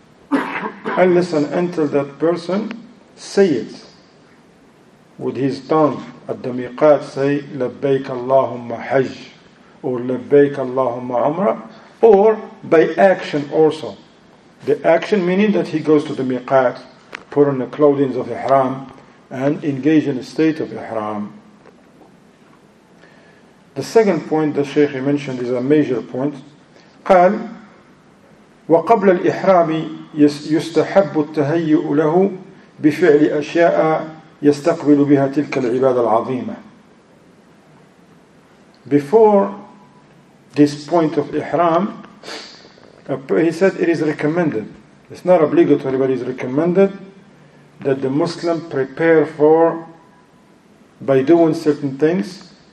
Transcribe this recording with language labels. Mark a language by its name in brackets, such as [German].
[English] And listen, until that person say it with his tongue at the miqat, say labbaik Allahumma hajj, or labbaik Allahumma umrah, or by action also. The action meaning that he goes to the miqat, put on the clothing of ihram, and engage in a state of ihram. The second point the Shaykh mentioned is a major point. [Arabic] قال وقبل الإحرام يستحب التهيئ له بفعل أشياء يستقبل بها تلك العبادة العظيمة. [English] Before this point of ihram, he said it is recommended. It's not obligatory, but it is recommended that the Muslim prepare for, by doing certain things,